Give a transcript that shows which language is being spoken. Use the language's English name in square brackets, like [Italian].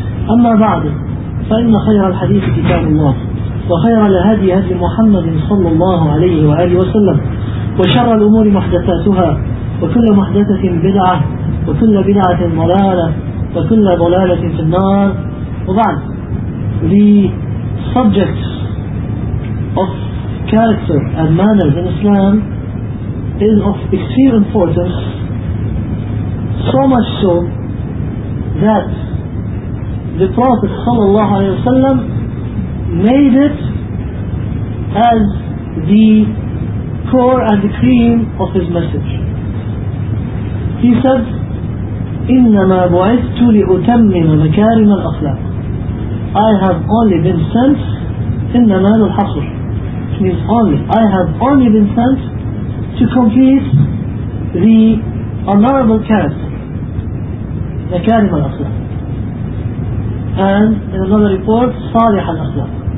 [Arabic] أما بعد، فإن خير الحديث كتاب الله، وخير الهدي هدي محمد صلى الله عليه وآله وسلم، وشر الأمور محدثاتها، وكل محدثة بدعة، وكل بدعة ضلالة، وكل ضلالة في النار. وبعد، [English] the subjects of character and manners in Islam is of extreme importance, so much so that the Prophet sallallahu alaihi wasallam made it as the core and the cream of his message. He said, [Arabic] إِنَّمَا بُعِثْتُ لِأُتَمِّمَ مَكَارِمَ الْأَخْلَاقِ. [English] I have only been sent, [Arabic] إِنَّمَا لُلْحَصُرِ, [English] which means only, I have only been sent to complete the honorable character, [Arabic] مَكَارِمَ الْأَخْلَاقِ, [English] and in another report, [Arabic] صَالِحَ الْأَخْلَاقِ.